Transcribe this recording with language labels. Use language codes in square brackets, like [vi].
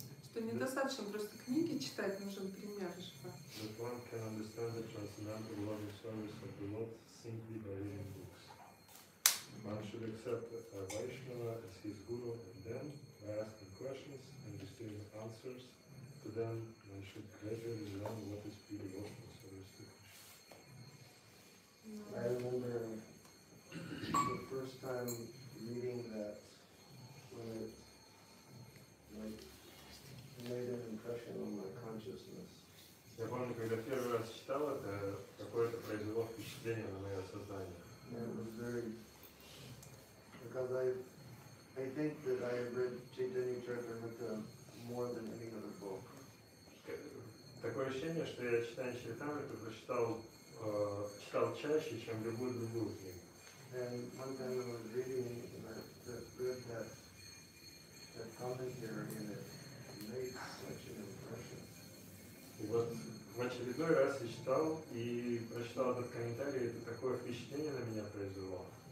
[ru] Что недостаточно просто книги читать, нужен пример еще. [en] That one can understand the transcendental loving service of the Lord simply by reading books. One should accept Vaishnava as his guru and then, by asking questions and receiving answers to them, one should gradually learn what is pure devotional service to Krishna. I remember the first time reading that, when it made an impression on my consciousness. [ru] Я помню, когда первый раз читал это, какое-то произвело впечатление на мое сознание. [en] Because I think that I have read Chaitanya Charitamrita more than any other book. [ru] Такое ощущение, что я читаю Чайтанью прочитал чаще, чем любую другую книгу. [en] And one time I was reading that commentary and it made such an impression. [ru] Вот в очередной раз я читал и прочитал этот комментарий, и это такое впечатление на меня произвело.